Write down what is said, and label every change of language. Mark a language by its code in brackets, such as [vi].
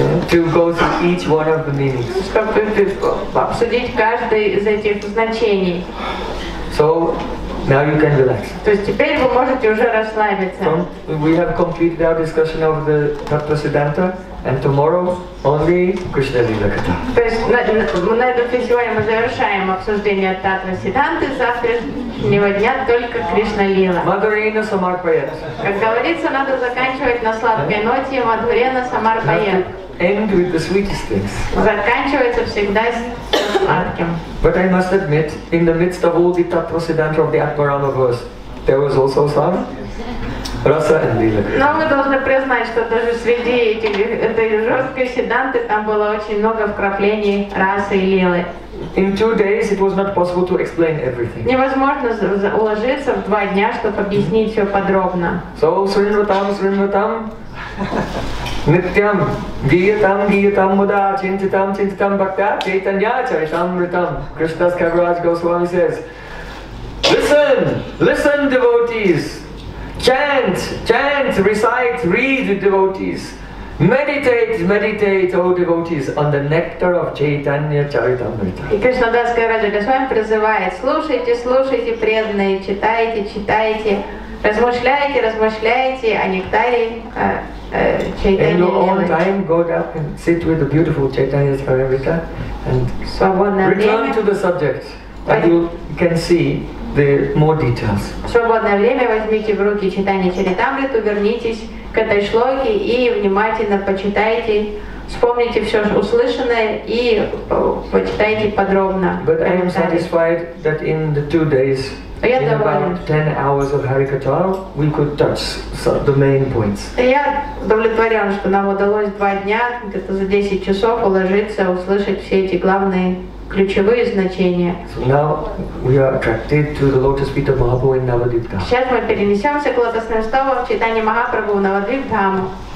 [en] To go through each one of the meanings. So now you can relax. [ru] То есть теперь вы можете уже расслабиться. [en] We have completed our discussion of the Tattva Siddhanta, and tomorrow only Krishna Lila Katha. [ru] То есть на этом сегодня мы завершаем обсуждение Tattva Siddhanta. Завтрашнего дня только Кришна Лила. [sa] Мадхурена Самарпаят. [ru] Как говорится, надо заканчивать на сладкой ноте. [sa] Мадхурена Самарпаят. [en] End with the sweetest things. [ru] Заканчивается всегда сладким. [en] But I must admit, in the midst of all the Tattva Siddhanta of the Atmarama verse, there was also some rasa and lila. [ru] Но мы должны признать, что даже среди этой жесткой Сидданты там было очень много вкраплений расы и лилы. [en] In 2 days, it was not possible to explain everything. [ru] Невозможно уложиться в 2 дня, чтобы объяснить все подробно. [sa] So Сринватам, Сринватам. Nityam, Giyatam, Giyatam, Muda, Chintitam, Chintitam, Bhakta, Chaitanya, Charitamritam. [en] Krishna's Kaviraj Goswami says, listen, listen, devotees. Chant, chant, recite, read, devotees. Meditate, meditate, O devotees, on the nectar of Chaitanya Charitamrita. [ru] И Кришна Дас Кавираджа Госвами призывает, слушайте, слушайте, преданные, читайте, читайте, размышляйте, размышляйте о нектаре [en] In your own time, go down and sit with the beautiful Chaitanya Charitamrita and return to the subject, and you can see the more details. [ru] Свободное время возьмите в руки Чайтанья Чаритамриту, вернитесь к этой шлоке и внимательно почитайте, вспомните все услышанное и почитайте подробно. [en] But I am satisfied that in the 2 days. In about 10 hours of Harikatha, we could touch the main points. [ru] Я удовлетворен, что нам удалось 2 дня, где-то за 10 часов, уложиться, услышать все эти главные ключевые значения. [en] So now we are attracted to the lotus feet of Mahaprabhu in Navadvip Dham. [ru] Сейчас мы перенесемся к лотосным стопам в читании Махапрабху в Навадвип Дхаму.